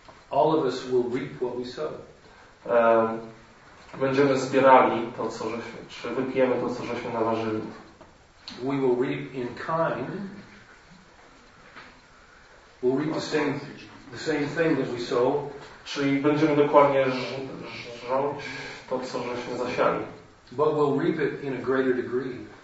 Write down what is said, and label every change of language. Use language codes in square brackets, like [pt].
[en] All of us will reap what we sow. [pl] Będziemy zbierali to, co żeśmy, czy wypijemy to, co żeśmy nawarzyli. [en] We will reap in kind. We'll reap the same thing that we sow. [pl] Czyli będziemy dokładnie żrąć to, co żeśmy zasiali. [en] But we'll reap it in a greater degree.